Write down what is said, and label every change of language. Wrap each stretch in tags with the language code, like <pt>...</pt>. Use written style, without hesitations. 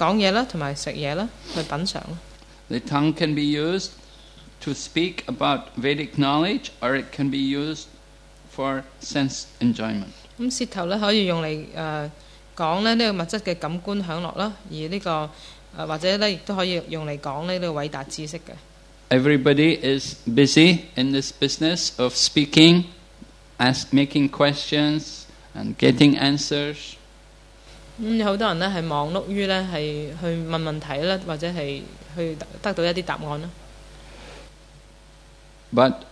<zh>这个口的功能就是去讲话，以及吃东西，去品尝。</zh> <en>The tongue can be used to speak about Vedic knowledge, or it can be used for sense enjoyment.</en> <zh>舌头可以用来讲物质的感官享乐，或者也可以用来讲伟大知识。 Everybody</zh> <en>is busy in this business of speaking, making questions and getting answers.</en> <zh>很多人忙碌于去问问题，或者得到一些答案。But</zh>